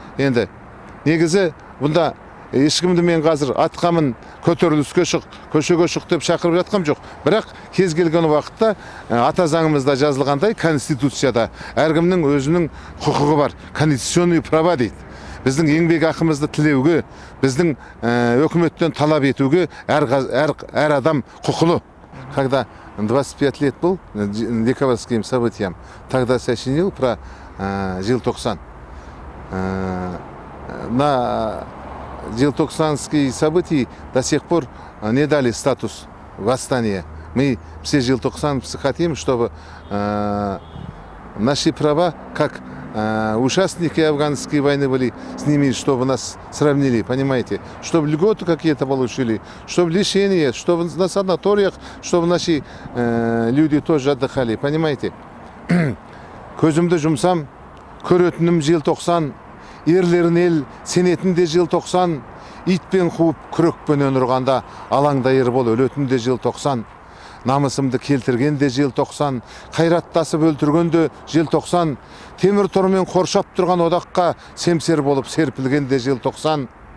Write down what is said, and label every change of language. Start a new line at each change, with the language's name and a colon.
Kazakh: Енді негізі бұнда ешкімді мен қазір атқа мін, көтеріліске шық, көшеге шық деп шақырып жатқам жоқ. Бірақ кез келген уақытта ата заңымызда жазылғандай конституцияда әркімнің өзінің құқығы бар.
Russian: Конституционный права
Kazakh: дейді. Біздің еңбек ақымызды тілеуге, біздің өкіметтен талап етуге әр адам құқылы.
Russian: Когда 25 лет был декабрьским событиям, тогда сочинил про желтоқсан. На желтоқсанские события до сих пор не дали статус восстания. Мы все желтоқсанцы хотим, чтобы наши права, как участники афганской войны были с ними, чтобы нас сравнили, понимаете? Чтобы льготы какие-то получили, чтобы лечение, чтобы на санаториях, чтобы наши люди тоже отдыхали, понимаете?
Kazakh: Көзімді жұмсам, көретінім желтоқсан, ерлерін ел сенетінде желтоқсан, итпен қуып күрекпен өнұрғанда алаңдайыр бол өлетінде желтоқсан, намысымды келтіргенде желтоқсан, қайраттасып өлтіргенде желтоқсан, темір тормен қоршап тұрған одаққа семсер болып серпілгенде желтоқсан,